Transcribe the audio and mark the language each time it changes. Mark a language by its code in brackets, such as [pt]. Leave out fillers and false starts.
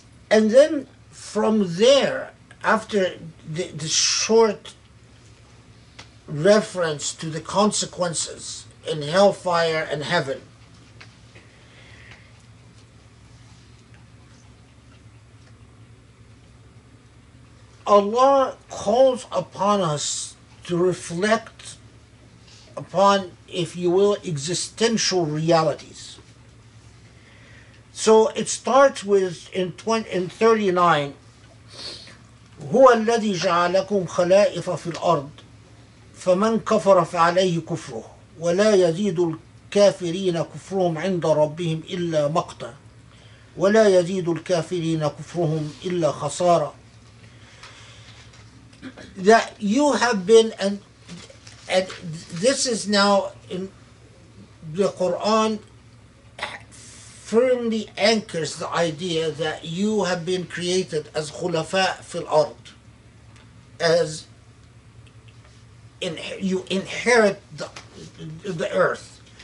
[en] And then from there, after the short reference to the consequences in hellfire and heaven, Allah calls upon us to reflect upon, if you will, existential realities. So it starts with in 39, [ar] هو الذي جعلكم خلائف في الأرض فمن كفر فعليه كفره ولا يزيد الكافرين كفرهم عند ربهم إلا مقتا ولا يزيد الكافرين كفرهم إلا خسارة. [en] That you have been, and this is now in the Quran, firmly anchors the idea that you have been created as khulafa fil ard, as you inherit the earth.